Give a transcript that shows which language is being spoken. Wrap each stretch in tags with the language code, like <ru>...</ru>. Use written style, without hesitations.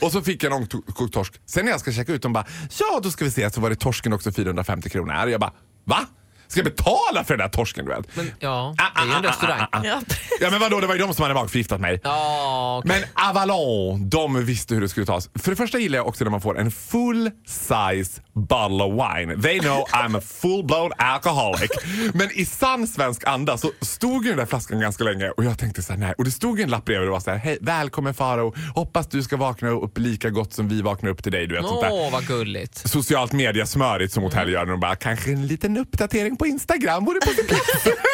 <sv>Och så fick jag en ångkokt torsk. Sen när jag ska checka ut dem bara, ja då ska vi se, så var det torsken också 450 kronor. Jag bara, va? Ska jag betala för den där torsken, du vet? Men ja, det är en restaurang. Ja, men vadå? Det var ju de som hade magförgiftat mig. Ja, okay. Men Avalon, de visste hur det skulle tas. För det första gillar jag också när man får en</sv> <en>full-size bottle of wine. They know I'm a full-blown alcoholic.</en> <sv>Men i sann svensk anda så stod ju den där flaskan ganska länge. Och jag tänkte så här, nej. Och det stod ju en lapp bredvid och var så här, hej, välkommen Farao. Hoppas du ska vakna upp lika gott som vi vaknar upp till dig, du vet. Åh, vad gulligt. Socialt mediasmörigt som hotell gör. Och bara, kanske en liten uppdatering på Instagram, vore på sin plats.</sv>